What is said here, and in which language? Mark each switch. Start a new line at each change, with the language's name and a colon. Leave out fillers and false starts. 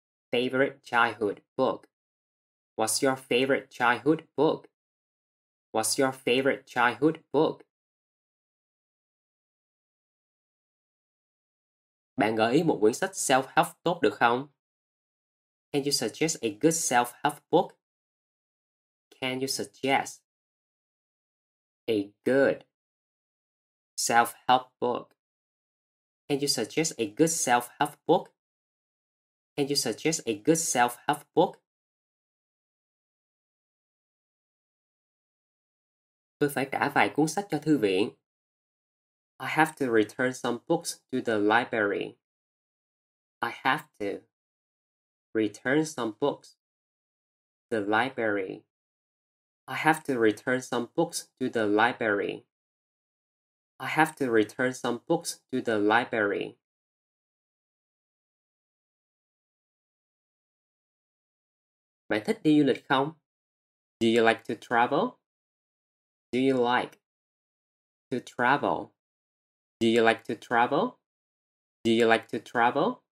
English: favorite childhood book? What's your favorite childhood book? What's your favorite childhood book?
Vietnamese: Bạn gợi ý một quyển sách self-help tốt được không?
English: Can you suggest a good self-help book? Can you suggest a good self-help book? Can you suggest a good self-help book? Can you suggest a good self-help book?
Vietnamese: Tôi phải trả vài cuốn sách cho thư viện.
English: I have to return some books to the library. I have to return some books to the library. I have to return some books to the library. I have to return some books to the library.
Vietnamese: Bạn thích đi du lịch không?
English: Do you like to travel? Do you like to travel? Do you like to travel? Do you like to travel?